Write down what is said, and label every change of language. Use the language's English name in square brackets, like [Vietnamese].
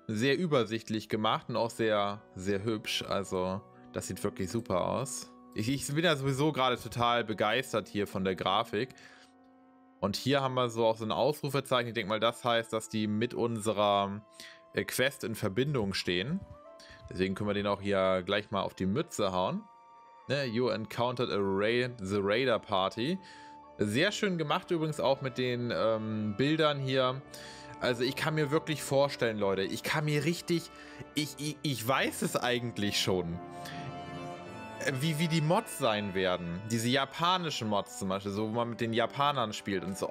[German] Sehr übersichtlich gemacht und auch sehr, sehr hübsch. Also das sieht wirklich super aus. Ich bin ja sowieso gerade total begeistert hier von der Grafik. Und hier haben wir so auch so ein Ausrufezeichen. Ich denke mal, das heißt, dass die mit unserer Quest in Verbindung stehen. Deswegen können wir den auch hier gleich mal auf die Mütze hauen. Ne? [English] You encountered the Raider Party. [German] Sehr schön gemacht übrigens auch mit den Bildern hier. Also ich kann mir wirklich vorstellen, Leute. Ich kann mir richtig... Ich weiß es eigentlich schon. Wie die Mods sein werden. Diese japanischen Mods zum Beispiel, so wo man mit den Japanern spielt und so.